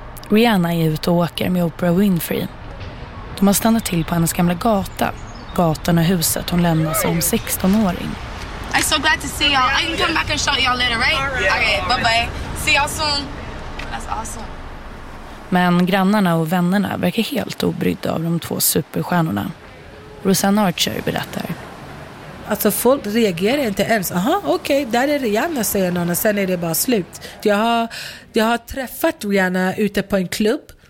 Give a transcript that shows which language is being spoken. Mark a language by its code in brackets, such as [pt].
[sv] Rihanna är ute och åker med Oprah Winfrey. De har stannat till på hennes gamla gata. Gatan och huset hon lämnar som 16-åring. [en] I'm so glad to see y'all. I can come back and show y'all later, right? Okay, bye-bye. See y'all soon. That's awesome. [sv] Men grannarna och vännerna verkar helt obrydda av de två superstjärnorna. Rosanna Archer berättar. Alltså folk reagerar inte ens. Aha, okej, okay, där är Rihanna, säger någon, och sen är det bara slut. Jag har träffat Rihanna ute på en klubb.